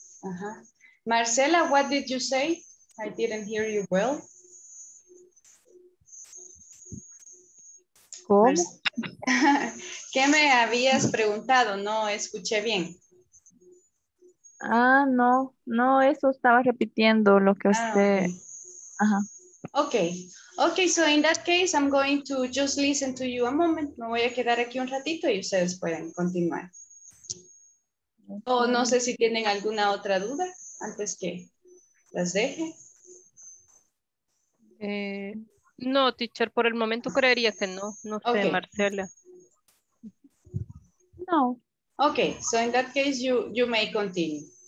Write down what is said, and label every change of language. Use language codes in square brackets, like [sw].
[en] Uh-huh. Marcela, what did you say? I didn't hear you well. [es] ¿Cómo? ¿Qué me habías preguntado? No escuché bien. Ah, no, no, eso estaba repitiendo lo que usted. Ajá. [en] Okay. Okay, so in that case, I'm going to just listen to you a moment. [es] Me voy a quedar aquí un ratito y ustedes pueden continuar. O no sé si tienen alguna otra duda antes que las deje. No, teacher, por el momento creería que no. No sé, okay. Marcela. No. [en] Okay, so in that case, you may continue.